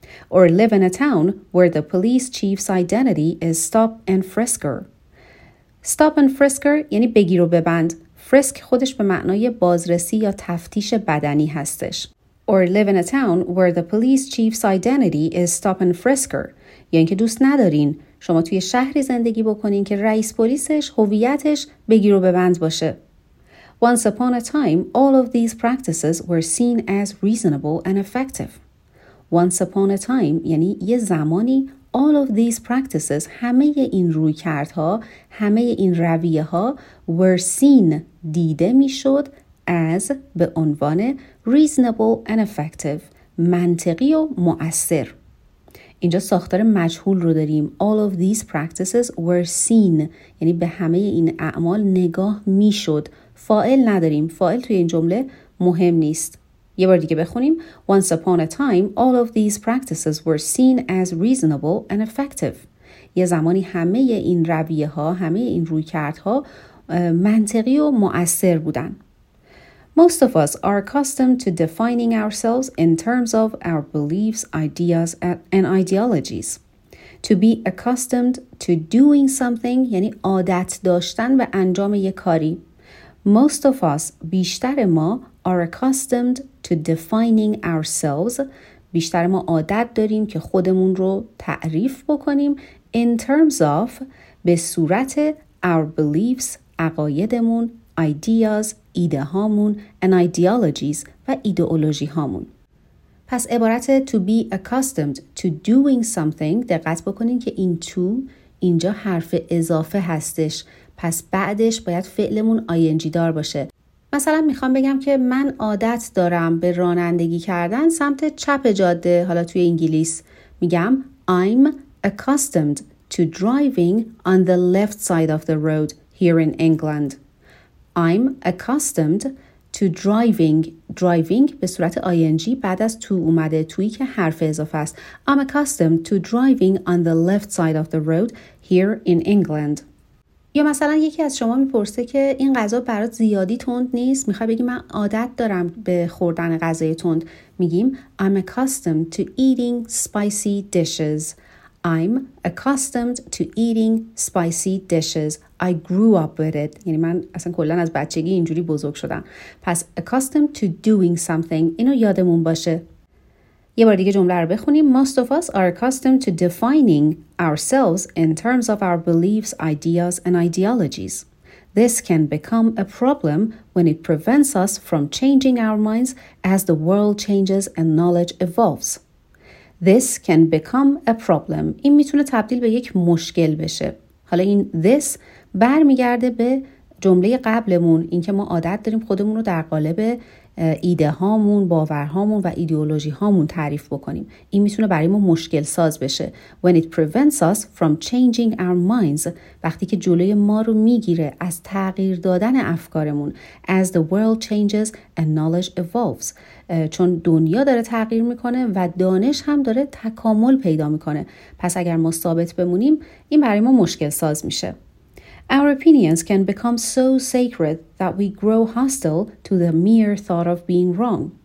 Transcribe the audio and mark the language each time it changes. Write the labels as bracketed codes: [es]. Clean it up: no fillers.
[en] Or live in a town where the police chief's identity is stop and frisker. Stop and frisker [fa] یعنی بگیر و ببند. فرسک خودش به معنای بازرسی یا تفتیش بدنی هستش. [en] Or live in a town where the police chief's identity is stop and frisker. [fa] یا اینکه دوست ندارین شما توی شهری زندگی بکنین که رئیس پلیسش هویتش بگیر و ببند باشه. [en] Once upon a time, all of these practices were seen as reasonable and effective. Once upon a time [fa] یعنی یه زمانی [en] all of these practices [fa] همه این رویکردها، همه این رویه ها [en] were seen [fa] دیده میشد as به عنوان [en] reasonable and effective [fa] منطقی و مؤثر. اینجا ساختار مجهول رو داریم. [en] All of these practices were seen [fa] یعنی به همه این اعمال نگاه میشد. فاعل نداریم. فاعل توی این جمله مهم نیست. یه بار دیگه بخونیم. [en] Once upon a time, all of these practices were seen as reasonable and effective. [fa] یه زمانی همه این رویه ها، همه این رویکردها منطقی و مؤثر بودن. [en] Most of us are accustomed to defining ourselves in terms of our beliefs, ideas, and ideologies. To be accustomed to doing something [fa] یعنی عادت داشتن به انجام یه کاری. [en] Most of us, [fa] بیشتر ما, [en] are accustomed to defining ourselves. [fa] بیشتر ما عادت داریم که خودمون رو تعریف بکنیم [en] in terms of [fa] به صورت [en] our beliefs, [fa] عقایدمون, ideas, ایده هامون, [en] and ideologies [fa] و ایدئولوژی هامون. پس عبارت [en] to be accustomed to doing something، [fa] دقت بکنین که این to اینجا حرف اضافه هستش، پس بعدش باید فعلمون ing دار باشه. مثلا میخوام بگم که من عادت دارم به رانندگی کردن سمت چپ جاده. حالا توی انگلیس میگم [en] I'm accustomed to driving on the left side of the road here in England. I'm accustomed to to driving. Driving [fa] به صورت ing بعد از to اومده. توی که حرف اضافه است. [en] I'm accustomed to driving on the left side of the road here in England. [fa] یا مثلا یکی از شما میپرسه که این غذا برات زیادی تند نیست؟ میخوای بگی من عادت دارم به خوردن غذای تند. میگیم [en] I'm accustomed to eating spicy dishes. I'm accustomed to eating spicy dishes. I grew up with it. [fa] یعنی من اصلا کلن از بچگی اینجوری بزرگ شدم. پس [en] accustomed to doing something. [fa] اینو یادمون باشه. یه بار دیگه جمله رو بخونیم. [en] Most of us are accustomed to defining ourselves in terms of our beliefs, ideas, and ideologies. This can become a problem when it prevents us from changing our minds as the world changes and knowledge evolves. This can become a problem. [fa] این میتونه تبدیل به یک مشکل بشه. حالا این this برمیگرده به جمله قبلمون، اینکه ما عادت داریم خودمون رو در قالب ایده هامون، باور هامون و ایدئولوژی هامون تعریف بکنیم. این میتونه برای ما مشکل ساز بشه. [en] When it prevents us from changing our minds. [fa] وقتی که جلوی ما رو میگیره از تغییر دادن افکارمون. [en] As the world changes and knowledge evolves. [fa] چون دنیا داره تغییر میکنه و دانش هم داره تکامل پیدا میکنه. پس اگر ما ثابت بمونیم، این برای ما مشکل ساز میشه. [en] Our opinions can become so sacred that we grow hostile to the mere thought of being wrong.